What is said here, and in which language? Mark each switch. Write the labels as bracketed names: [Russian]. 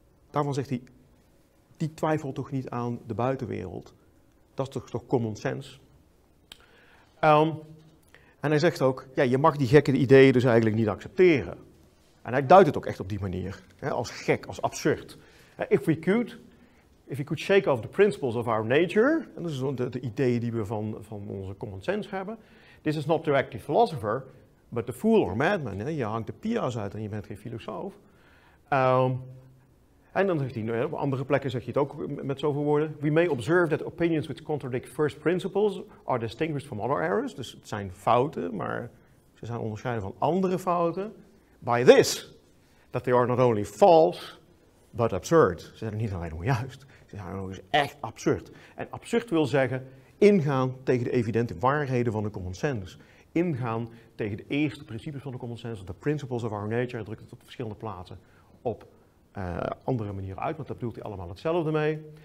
[Dutch] Daarvan zegt hij, die twijfelt toch niet aan de buitenwereld. Dat is toch common sense. En hij zegt ook, ja, je mag die gekke ideeën dus eigenlijk niet accepteren. En hij duidt het ook echt op die manier. Hè, als gek, als absurd. [English] If we could shake off the principles of our nature. [Dutch] En dat is de ideeën die we van onze common sense hebben. [English] This is not the active philosopher, but the fool or madman. [Dutch] Hè, je hangt de pia's uit en je bent geen filosoof. En dan zegt hij, op andere plekken zeg je het ook met zoveel woorden. [English] We may observe that opinions which contradict first principles are distinguished from other errors. [Dutch] Dus het zijn fouten, maar ze zijn onderscheiden van andere fouten. [English] By this, that they are not only false, but absurd. [Dutch] Ze zijn niet alleen onjuist, ze zijn ook eens echt absurd. En absurd wil zeggen, ingaan tegen de evidente waarheden van de common sense. Ingaan tegen de eerste principes van de common sense, [English] the principles of our nature, [Dutch] drukt het op verschillende plaatsen op andere manieren uit, want daar bedoelt hij allemaal hetzelfde mee.